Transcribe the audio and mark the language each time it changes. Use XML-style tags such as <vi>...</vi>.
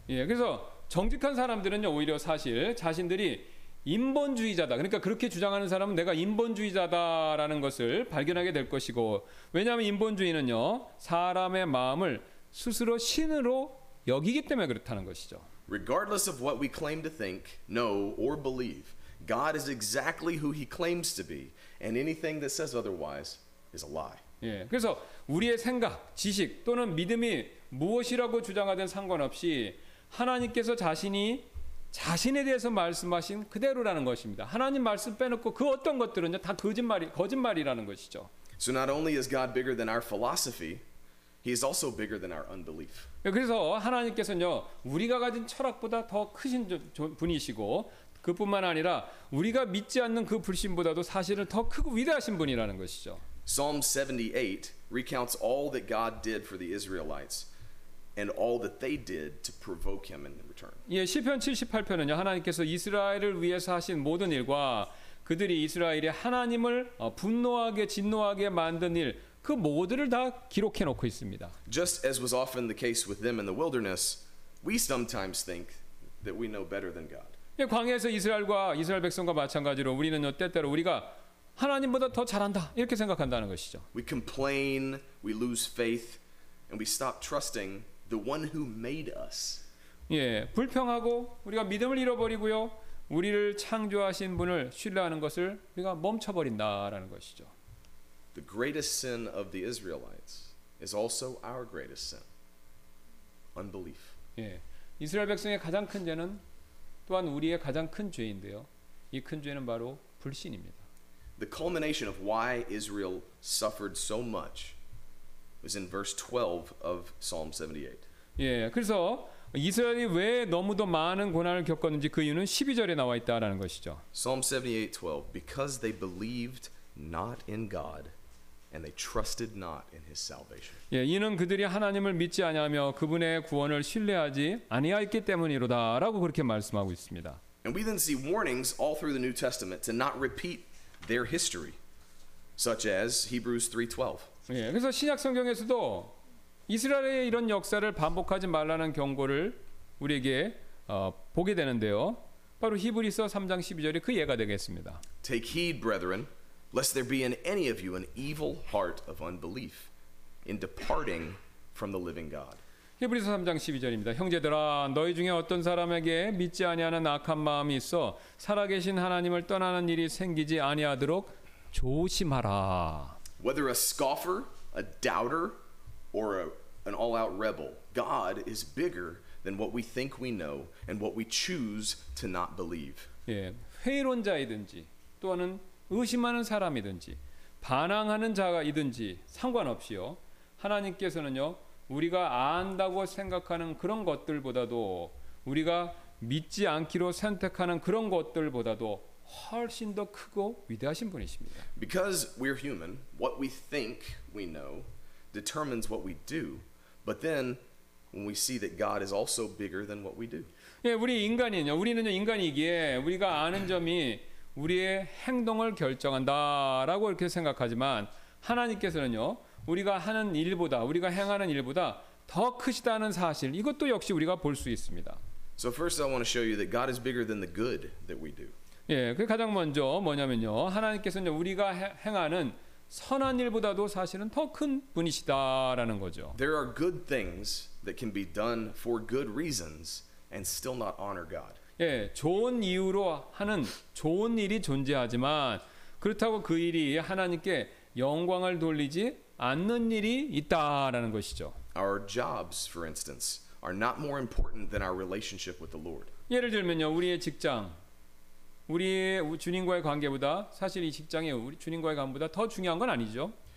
<ko>예, 그래서 정직한 사람들은요 오히려 사실 자신들이 인본주의자다. 그러니까 그렇게 주장하는 사람은 내가 인본주의자다라는 것을 발견하게 될 것이고 왜냐하면 인본주의는요 사람의 마음을 스스로 신으로 여기기 때문에 그렇다는 것이죠.</ko> <en>Regardless of what we claim to think, know, or believe, God is exactly who He claims to be, and anything that says otherwise is a lie.</en> <ko>예, 그래서 우리의 생각, 지식 또는 믿음이 무엇이라고 주장하든 상관없이 하나님께서 자신이 자신에 대해서 말씀하신 그대로라는 것입니다. 하나님 말씀 빼놓고 그 어떤 것들은요 다 거짓말이라는 것이죠.</ko> <en>So not only is God bigger than our philosophy, He is also bigger than our unbelief.</en> <ko>그래서 하나님께서는요 우리가 가진 철학보다 더 크신 분이시고 그뿐만 아니라 우리가 믿지 않는 그 불신보다도 사실은 더 크고 위대하신 분이라는 것이죠.</ko> <en>Psalm 78 recounts all that God did for the Israelites and all that they did to provoke Him in return.</en> <ko>예, 시편 78편은요 하나님께서 이스라엘을 위해서 하신 모든 일과 그들이 이스라엘이 하나님을 분노하게 진노하게 만든 일 그 모두를 다 기록해 놓고 있습니다.</ko> <en>Just as was often the case with them in the wilderness, we sometimes think that we know better than God.</en> <ko>예, 광야에서 이스라엘과 이스라엘 백성과 마찬가지로 우리는요 때때로 우리가 하나님보다 더 잘한다 이렇게 생각한다는 것이죠.</ko> <en>We complain, we lose faith, and we stop trusting the one who made us.</en> <ko>예, 불평하고 우리가 믿음을 잃어버리고요, 우리를 창조하신 분을 신뢰하는 것을 우리가 멈춰버린다라는 것이죠.</ko> <en>The greatest sin of the Israelites is also our greatest sin. Unbelief.</en> <ko>예, 이스라엘 백성의 가장 큰 죄는 또한 우리의 가장 큰 죄인데요. 이 큰 죄는 바로 불신입니다.</ko> <en>The culmination of why Israel suffered so much was in verse 12 of Psalm 78.</en> <ko>예, 그래서 이스라엘이 왜 너무도 많은 고난을 겪었는지 그 이유는 12절에 나와 있다라는 것이죠.</ko> <en>Psalm 78:12 Because they believed not in God and they trusted not in his salvation.</en> <ko>예, 이는 그들이 하나님을 믿지 아니하며 그분의 구원을 신뢰하지 아니하였기 때문이로다라고 그렇게 말씀하고 있습니다.</ko> <en>And we then see warnings all through the New Testament to not repeat their history such as Hebrews 3:12.</en> <ko>예, 그래서 신약 성경에서도 이스라엘의 이런 역사를 반복하지 말라는 경고를 우리에게 보게 되는데요. 바로 히브리서 3장 12절이 그 예가 되겠습니다.</ko> <en>Take heed, brethren, lest there be in any of you an evil heart of unbelief in departing from the living God.</en> <ko>히브리서 3장 12절입니다. 형제들아 너희 중에 어떤 사람에게 믿지 아니하는 악한 마음이 있어 살아계신 하나님을 떠나는 일이 생기지 아니하도록 조심하라.</ko> <en>Whether a scoffer, a doubter, or an all-out rebel, God is bigger than what we think we know and what we choose to not believe.</en> <ko>예, 회의론자이든지 또는 의심하는 사람이든지 반항하는 자가이든지 상관없이요 하나님께서는요 우리가 안다고 생각하는 그런 것들보다도 우리가 믿지 않기로 선택하는 그런 것들보다도 훨씬 더 크고 위대하신 분이십니다.</ko> <en>Because we're human, what we think we know determines what we do. But then when we see that God is also bigger than what we do.</en> <ko>예, 우리 인간이요. 우리는요, 인간이기에 우리가 아는 점이 우리의 행동을 결정한다라고 이렇게 생각하지만 하나님께서는요. 우리가 하는 일보다 우리가 행하는 일보다 더 크시다는 사실 이것도 역시 우리가 볼 수 있습니다.</ko> <en>So first I want to show you that God is bigger than the good that we do.</en> <ko>예, 그 가장 먼저 뭐냐면요. 하나님께서는 우리가 행하는 선한 일보다도 사실은 더 큰 분이시다라는 거죠.</ko> <en>There are good things that can be done for good reasons and still not honor God.</en> <ko>예, 좋은 이유로 하는 좋은 일이 존재하지만 그렇다고 그 일이 하나님께 영광을 돌리지 않는 일이 있다라는 것이죠.</ko> <en>Our jobs, for instance, are not more important than our relationship with the Lord.</en> <ko>예를 들면요, 우리의 직장, 우리의 주님과의 관계보다 사실 이 직장의 우리 주님과의 관계보다 더 중요한 건 아니죠.</ko>